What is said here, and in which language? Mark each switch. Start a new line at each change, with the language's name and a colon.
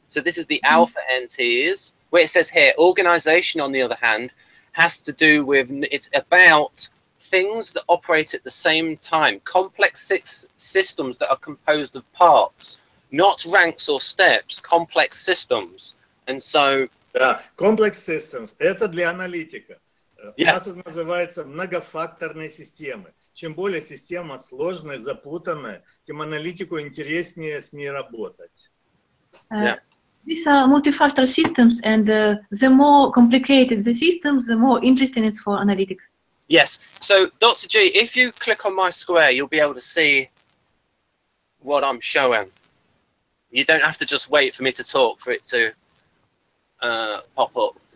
English: So this is the alpha NTs. Where it says here, organization, on the other hand, has to do with, it's about things that operate at the same time, complex systems that are composed of parts, not ranks or steps, complex systems. And so... Yeah, complex systems.
Russian: Это для аналитика.
English: Yeah.
Russian: У нас это называется многофакторные системы. Чем более система сложная, запутанная, тем аналитику интереснее с ней работать.
English: These are multi-factor systems, and the more complicated the system, the more interesting it's for analytics. Yes. So, Dr. G, if you click on my square, you'll be able to see what I'm showing. You don't have to just wait for me to talk for it to pop up.